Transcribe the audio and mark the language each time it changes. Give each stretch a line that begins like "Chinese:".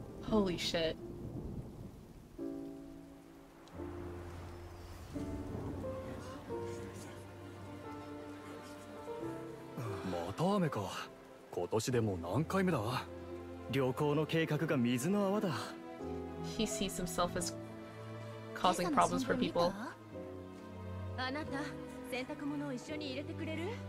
English: Holy shit.
Japanese: また雨か。今年でもう何回目だ。旅行の計画が水の泡だ。
English: He sees himself as causing problems for people.
Japanese: あなた、洗濯物を一緒に入れてくれる？